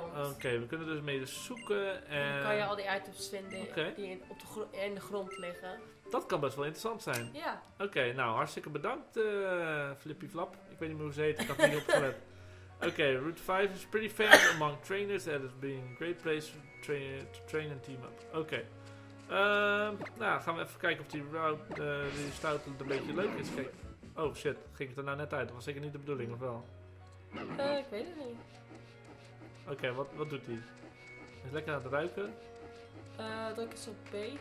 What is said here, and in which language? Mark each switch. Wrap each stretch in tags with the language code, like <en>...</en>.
<nl>Oké, we kunnen dus mee zoeken en... Dan kan je al die items vinden die in de grond liggen. Dat kan best wel interessant zijn. Ja. Oké, nou, hartstikke bedankt, Flippy Flap. Ik weet niet meer hoe ze heet, ik had het niet opgelet.</nl> <en>Oké, Route 5 is pretty famous among trainers. That has been a great place to train and team up.</en> <nl>Oké, gaan we even kijken of die route, die stout, een beetje leuk is. Kijk. Oh shit, ging het er nou net uit? Dat was zeker niet de bedoeling, of wel? Ik weet het niet. Oké, wat doet hij? Is lekker aan het ruiken? Druk eens op B.</nl>